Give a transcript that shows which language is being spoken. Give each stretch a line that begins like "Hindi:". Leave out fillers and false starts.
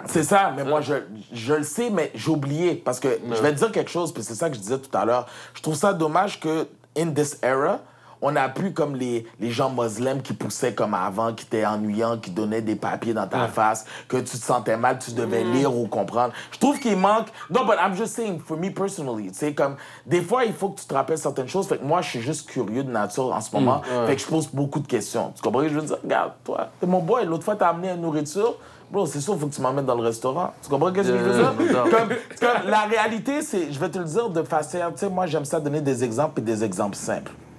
French: C'est ça, mais moi, je le sais, mais j'ai oublié. Parce que je vais te dire quelque chose, puis c'est ça que je disais tout à l'heure. Je trouve ça dommage que,
English: in this era,
French: on n'a plus comme les gens musulmans qui poussaient comme avant, qui étaient ennuyants, qui donnaient des papiers dans ta face, que tu te sentais mal, tu devais lire ou comprendre. Je trouve qu'il manque... Non,
English: but I'm just saying, for me personally,
French: tu sais, comme... Des fois, il faut que tu te rappelles certaines choses. Fait que moi, je suis juste curieux de nature en ce moment. Ouais. Fait que je pose beaucoup de questions. Tu comprends? Je veux dire, regarde, toi, t'es mon boy, l'autre fois, t'as amené une nourriture... Bro, c'est sûr, il faut que tu m'emmènes dans le restaurant. Tu comprends qu'est-ce que je veux dire? Comme, la réalité, c'est... Je vais te le dire de façon... Tu sais, moi, j'aime ça donner des exemples et des exemples simples.